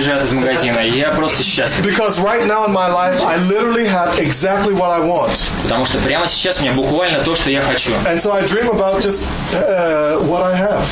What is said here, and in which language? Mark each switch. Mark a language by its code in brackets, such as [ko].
[en] Because right now in my life I literally have exactly what I want. [ru] Потому что прямо сейчас у меня буквально то, что я хочу. [en] And so I dream about just what I have.